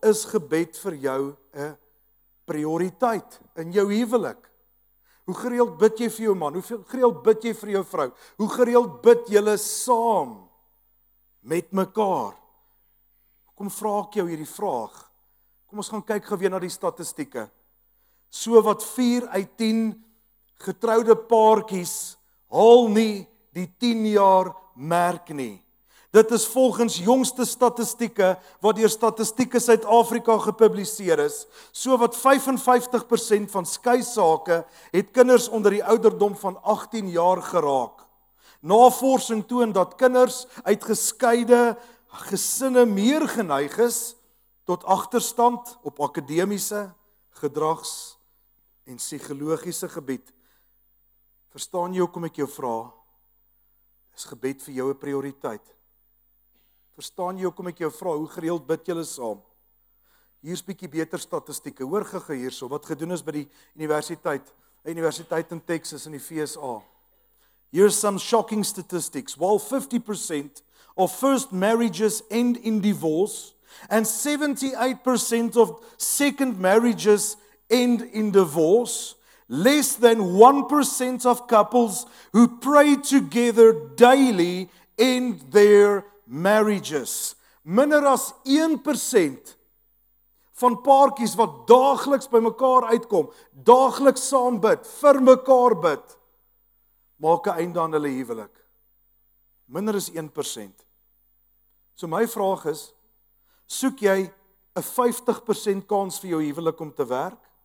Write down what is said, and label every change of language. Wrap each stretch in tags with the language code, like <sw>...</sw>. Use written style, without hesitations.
<af>Is gebed vir jou 'n prioriteit in jou huwelik? Hoe gereeld bid jy vir jou man? Hoe gereeld bid jy vir jou vrou? Hoe gereeld bid julle saam met mekaar? Kom vra ek jou hierdie vraag. Kom ons gaan kyk geweer na die statistieke. So wat 4 uit 10 getroude paartjies haal nie die 10 jaar merk nie. Dit is volgens jongste statistieke wat deur Statistieke Suid-Afrika gepubliseer is. So wat 55% van skeisake het kinders onder die ouderdom van 18 jaar geraak. Navorsing toon dat kinders uit geskeide gesinne meer geneig is tot agterstand op akademiese, gedrags- en psigologiese gebied. Verstaan jy hoekom ek jou vra? Is gebed vir jou 'n prioriteit? Verstaan jy hoekom ek jou vra, hoe gereeld bid julle saam? Hier's 'n bietjie beter statistieke. Hoor gou hierso wat gedoen is by die universiteit in Texas in die VSA.</af> <en>Here's some shocking statistics. While 50% of first marriages end in divorce, and 78% of second marriages end in divorce, less than 1% of couples who pray together daily end their marriages.</en> <af>Minder as 1% van paartjies wat daagliks by mekaar uitkom, daagliks saam bid, vir mekaar bid, maak 'n einde aan hulle huwelik. Minder as 1%. So my vraag is, soek jy 'n 50% kans vir jou huwelik om te werk?</af>